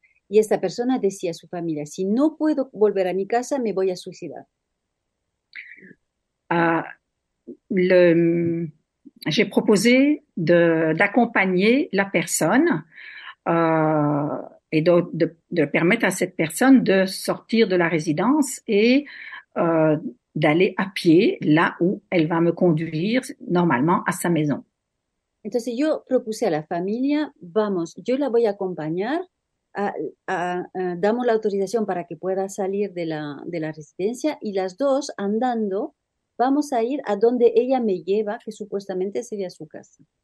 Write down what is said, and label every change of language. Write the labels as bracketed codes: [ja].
[es] Y esta persona decía a su familia, si no puedo volver a mi casa, me voy a suicidar. [fr] J'ai proposé d'accompagner la personne et de permettre à cette personne de sortir de la résidence et d'aller à pied là où elle va me conduire normalement à sa maison. [es] Entonces yo propuse a la familia, vamos, yo la voy a acompañar. Damos la autorización para que pueda salir de la residencia y las dos andando vamos a ir a donde ella me lleva, que supuestamente sería su casa.